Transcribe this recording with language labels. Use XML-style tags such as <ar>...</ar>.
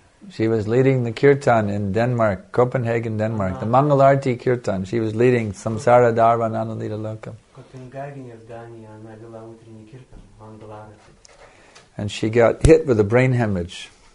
<en>She was leading the kirtan in Denmark, Copenhagen, Denmark. The Mangalarti kirtan. She was leading Samsara Dharva Nanalita Loka.</en> <ru>Копенгагене, в Дании, она вела утренний киртан.</ru> <en>And she got hit with a brain hemorrhage.</en>